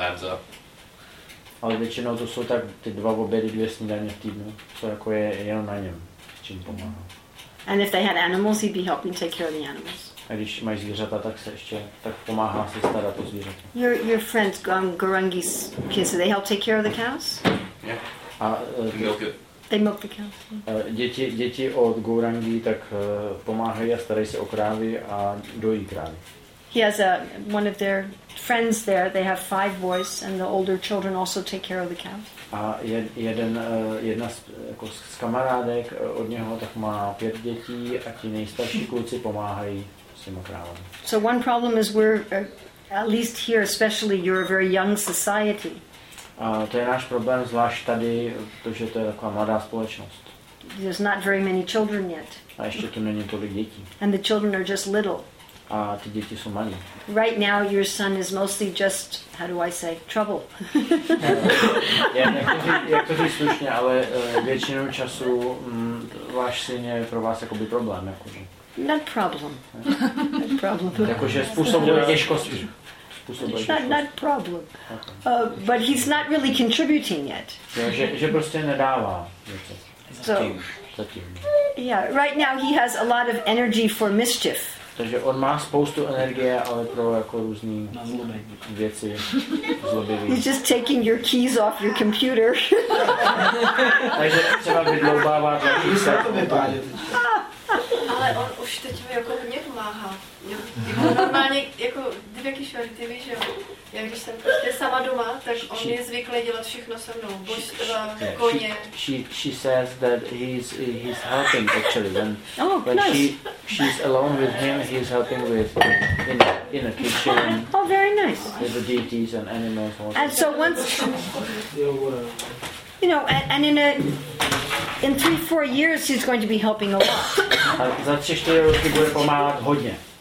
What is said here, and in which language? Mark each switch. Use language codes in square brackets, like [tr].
[en] adds up. [cs] Ale většinou to jsou tak ty 2 obědy, 2 snídaně v týdnu, co jako je jenom na něm, s čím pomáhá. [en] And if they had animals, he'd be helping take care of the animals. [cs] A když mají zvířata, tak se ještě tak pomáhá se starat o zvířata. [en] Your friends, Gurungi's kids, do they help take care of the cows? Yeah. A they milk the cows. [cs] Děti od Gurungi tak pomáhají a starají se o krávy a dojí krávy. [en] He has one of their friends there. They have 5 boys, and the older children also take care of the cows. [cs] A jedna z kamarádek od něho tak má 5 dětí a ti nejstarší kluci pomáhají. [en] So one problem is we're at least here, especially you're a very young society. [cs] To je náš problém, zvlášť tady, protože to je taková mladá společnost. [en] There's not very many children yet. [cs] A ještě tu není tolik dětí. [en] And the children are just little. [cs] A ty děti jsou malé. [en] Right now your son is mostly just, how do I say, trouble. [cs] Jak to říct slušně, ale většinou času váš syn je pro vás jakoby problém. Jakože. [en] Not problem. Not problem. [cs] Jakože způsobuje těžkosti. [en] Not problem. But he's not really contributing yet. [cs] Že prostě nedává. [en] So, yeah, right now he has a lot of energy for mischief. [cs] Takže on má spoustu energie, ale pro jako různé věci zlobivý. [en] He's just taking your keys off your computer. [cs] Takže třeba vydloubává klavíse. Ale on už teď mi jako hodně pomáhá. Jako normálně, jako dvě kišory, ty víš, že já když jsem prostě sama doma, tak on je zvyklý dělat všechno se mnou. Božstva, koně. [en] She says that he's helping actually. When, oh, when nice. She's alone with him, he's helping with in a kitchen. Oh, very nice. With the deities and animals. Also. And so once, you know, and in a... In 3-4 years he's going to be helping a lot. [cs] A za 3-4 roky bude pomáhat hodně.